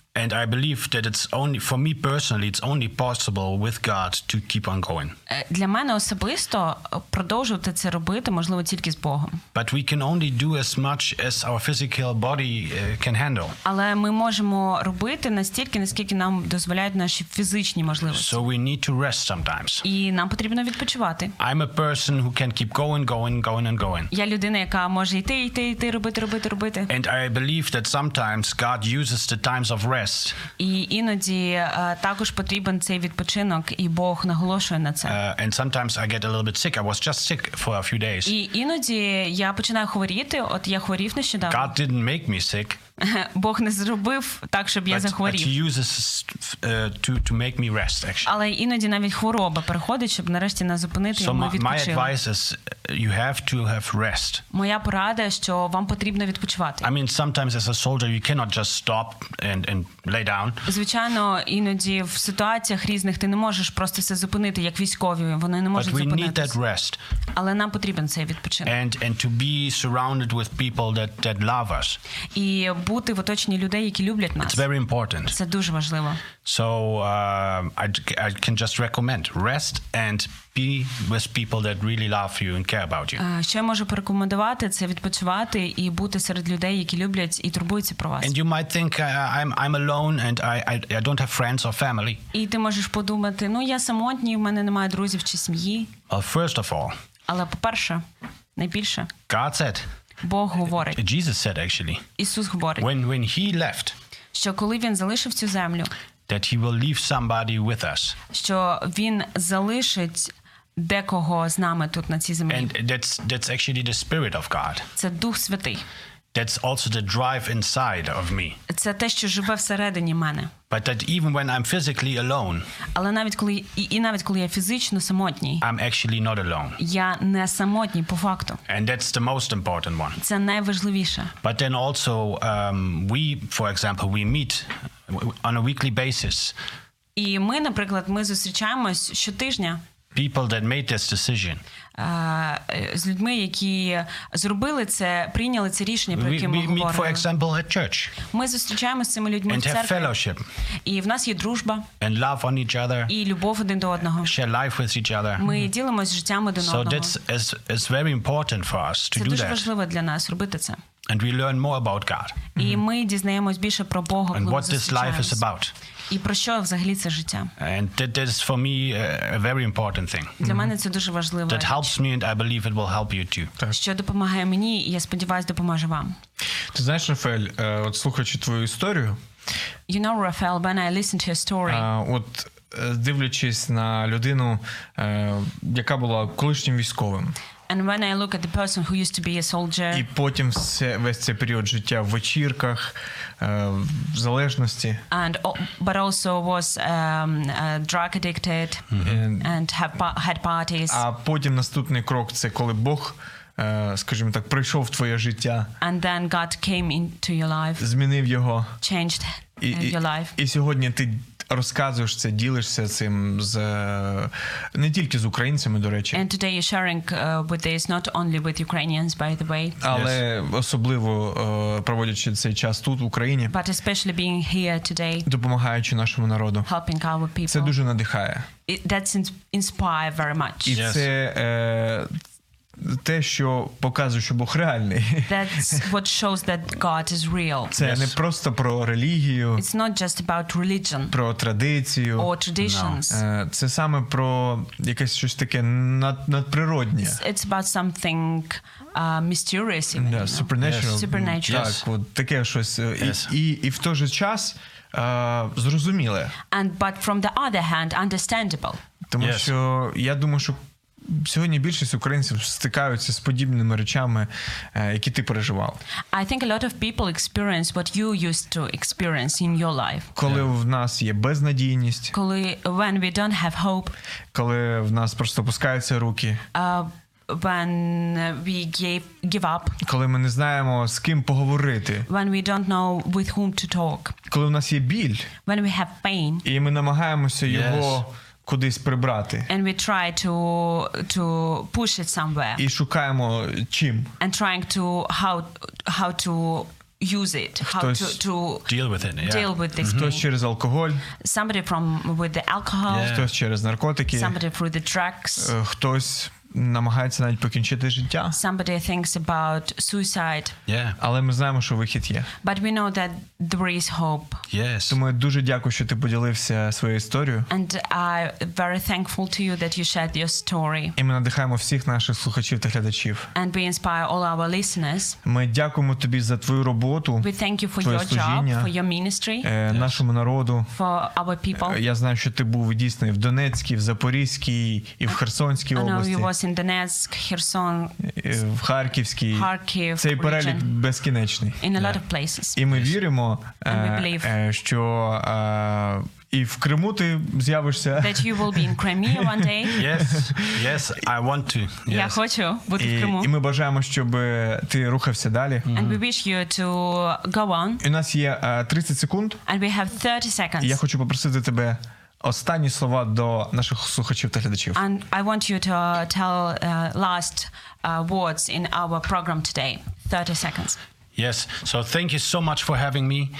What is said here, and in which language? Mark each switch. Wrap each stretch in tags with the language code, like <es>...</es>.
<en>And I believe that it's only for me personally, it's only possible with God to keep on going.</en> <uk>Для мене особисто продовжувати це робити можливо тільки з Богом.</uk> <en>But we can only do as much as our physical body can handle.</en> <uk>Але ми можемо робити настільки, наскільки нам дозволяють наші фізичні можливості.</uk> <en>So we need to rest sometimes.</en> <uk>І нам потрібно відпочивати.</uk> <en>I'm a person who can keep going, going, going and going.</en> <uk>Я людина, яка може йти, йти, йти, робити, робити, робити.</uk> <en>And I believe that sometimes God uses the times of rest.</en> <uk>І іноді також потрібен цей відпочинок, і Бог наголошує на це.</uk> <en>And sometimes I get a little bit sick. I was just sick for a few days.</en> <uk>І іноді я починаю хворіти. От я хворів нещодавно.</uk> <en>God didn't make me sick.</en> <uk>Бог не зробив так, щоб я захворів.</uk> <en>But he uses to make me rest, actually.</en> <uk>Але іноді навіть хвороба приходить, щоб нарешті нас зупинити,</uk> <en>so</en> <uk>і ми відпочили.</uk> <en>My advice is you have to have rest.</en> <uk>Моя порада, що вам потрібно відпочивати.</uk> <en>I mean, sometimes as a soldier you cannot just stop and lay down.</en> <uk>Звичайно, іноді в ситуаціях різних ти не можеш просто все зупинити, як військові, вони не можуть зупинитися.</uk> <en>But we need that rest.</en> <uk>Але нам потрібен цей відпочинок.</uk> <en>And to be surrounded with people that love us.</en> <uk>І бути в оточенні людей, які люблять нас.</uk> <en>It's very important.</en> <uk>Це дуже важливо.</uk> <en>So, I can just recommend rest and be with people that really love you and care about you.</en> <uk>Що я можу порекомендувати, це відпочивати і бути серед людей, які люблять і турбуються про вас.</uk> <en>And you might think I'm alone and I don't have friends or family.</en> <uk>І ти можеш подумати, ну я самотній, в мене немає друзів чи сім'ї.</uk> <en>Well, first of all.</en> <uk>Але по-перше, найбільше.</uk> <en>God said.</en> <uk>Бог говорить.</uk> <en>Jesus said actually.</en> <uk>Ісус говорить.</uk> <en>When he left.</en> <uk>Що коли він залишив цю землю.</uk> <en>That he will leave somebody with us.</en> <uk>Що він залишить декого з нами тут на цій землі.</uk> <en>And that's actually the spirit of God.</en> <uk>Це Дух Святий.</uk> <en>That's also the drive inside of me.</en> <uk>Це те, що живе всередині мене.</uk> <en>But that even when I'm physically alone.</en> <uk>Але навіть коли і навіть коли я фізично самотній.</uk> <en>I'm actually not alone.</en> <uk>Я не самотній по факту.</uk> <en>And that's the most important one.</en> <uk>Це найважливіше.</uk> <en>But then also we, for example, we meet on a weekly basis.</en> <uk>І ми, наприклад, ми зустрічаємось щотижня.</uk> <en>People that made this decision.</en> <uk>З людьми, які зробили це, прийняли це рішення, про яке ми говоримо.</uk> <en>We meet, for example, at church.</en> <uk>Ми зустрічаємося з цими людьми</uk> <en>and</en> <uk>в церкві.</uk> <en>And have fellowship.</en> <uk>І в нас є дружба.</uk> <en>And love on each other.</en> <uk>І любов один до одного.</uk> <en>Share life with each other.</en> <uk>Ми ділимось життям один одного.</uk> <en>So that's is very important for us to do that.</en> <uk>Це дуже важливо для нас робити це.</uk> <en>And we learn more about God.</en> <uk>І ми дізнаємось більше про Бога, коли зустрічаємось.</uk> <en>And what this life is about.</en> <uk>І про що взагалі це життя?</uk> <en>And that is for me a very important thing.</en> <uk>Для мене це дуже важливо.</uk> <en>That helps me and I believe it will help you too.</en> <uk>Що допомагає мені, і я сподіваюся, допоможе вам. Ти знаєш, Рафаель, от слухаючи твою історію,</uk> <en>you know, Rafael, when I listened to your story,</en> <uk>от дивлячись на людину, яка була колишнім військовим,</uk> <en>and when I look at the person who used to be a soldier,</en> <uk>і потім весь цей період життя в вечірках, в залежності,</uk> <en>and but also was drug addicted and had parties,</en> <uk>а потім наступний крок це коли Бог, скажімо так, прийшов в твоє життя,</uk> <en>and then God came into your life,</en> <uk>змінив його,</uk> <en>changed your life,</en> <uk>і сьогодні ти розказуєш це, ділишся цим з не тільки з українцями, до речі.</uk> <en>And today you're sharing with this not only with Ukrainians, by the way.</en> <uk>Але</uk> <en>yes.</en> <uk>Особливо проводячи цей час тут в Україні.</uk> <en>But especially being here today.</en> <uk>Допомагаючи нашому народу.</uk> <en>Helping our people.</en> <uk>Це дуже надихає.</uk> <en>That's inspire very much.</en> <uk>І</uk> <en>yes.</en> <uk>Це те, що показує, що Бог реальний.</uk> <en>That's what shows that God is real.</en> <uk>Це</uk> <en>yes.</en> <uk>Не просто про релігію.</uk> <en>It's not just about religion.</en> <uk>Про традицію.</uk> <en>Or traditions. No.</en> <uk>Це саме про якесь щось таке надприроднє.</uk> <en>It's about something mysterious. Even, yeah, supernatural. Yes. Supernatural.</en> <uk>Так, от таке щось.</uk> <en>Yes.</en> <uk>І в той же час зрозуміле.</uk> <en>And but from the other hand, understandable.</en> <uk>Тому</uk> <en>yes.</en> <uk>Що я думаю, що сьогодні більшість українців стикаються з подібними речами, які ти переживав.</uk> <en>I think a lot of people experience what you used to experience in your life.</en> <uk>Коли в нас є безнадійність. Коли</uk> <en>when we don't have hope.</en> <uk>Коли в нас просто опускаються руки.</uk> <en>When we give up.</en> <uk>Коли ми не знаємо, з ким поговорити.</uk> <en>When we don't know with whom to talk.</en> <uk>Коли в нас є біль.</uk> <en>When we have pain.</en> <uk>І ми намагаємося його кудись прибрати.</uk> <en>And we try to push it somewhere.</en> <uk>І шукаємо чим.</uk> <en>And trying to how to use it, how to deal with it, yeah. Deal with this.</en> <uk>Хтось через алкоголь.</uk> <en>Somebody from with the alcohol.</en> <uk>Хтось через наркотики.</uk> <en>Somebody through the drugs.</en> <uk>Хтось намагається навіть покінчити життя.</uk> <en>Somebody thinks about suicide. Yeah.</en> <uk>Але ми знаємо, що вихід є.</uk> <en>But we know that there is hope. Yes.</en> <uk>Тому я дуже дякую, що ти поділився своєю історією.</uk> <en>And I'm very thankful to you that you shared your story.</en> <uk>І ми надихаємо всіх наших слухачів та глядачів.</uk> <en>And we inspire all our listeners.</en> <uk>Ми дякуємо тобі за твою роботу.</uk> <en>We thank you for your</en> <uk>служіння,</uk> <en>job, for your ministry.</en> <uk>Нашому народу.</uk> <en>For our people.</en> <uk>Я знаю, що ти був дійсно в Донецькій, в Запорізькій і в Херсонській області.</uk> <en>In Donetsk, Херсон,</en> <uk>в Харківській. Харків, цей перелік безкінечний.</uk> <en>In a lot of places.</en> <uk>І ми віримо, що і в Криму ти з'явишся.</uk> <en>That you will be in Crimea one day. Yes, I want to. Yes.</en> <uk>Я хочу бути в Криму. І ми бажаємо, щоб ти рухався далі.</uk> <en>Mm-hmm. And we wish you to go on.</en> <uk>У нас є 30 секунд.</uk> <en>And we have 30 seconds.</en> <uk>Я хочу попросити тебе останні слова до наших слухачів та глядачів.</uk> <en>And I want you to tell last words in our program today. 30 seconds. Yes. So thank you so much for having me.</en>